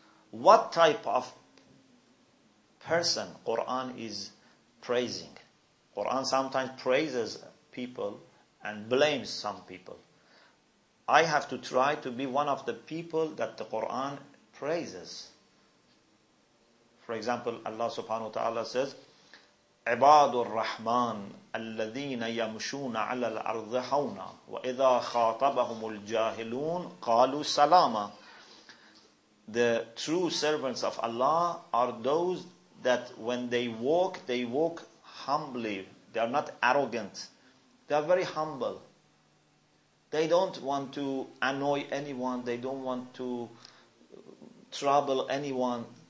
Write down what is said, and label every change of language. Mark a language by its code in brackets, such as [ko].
[en] What type of person Quran is praising? Quran sometimes praises people and blames some people. I have to try to be one of the people that the Quran praises. [ar] For example, Allah subhanahu wa ta'ala says, عباد الرحمن الذين يمشون على الأرض هونا وإذا خاطبهم الجاهلون قالوا سلاما. [en] The true servants of Allah are those that when they walk humbly. They are not arrogant. They are very humble. They don't want to annoy anyone. They don't want to trouble anyone.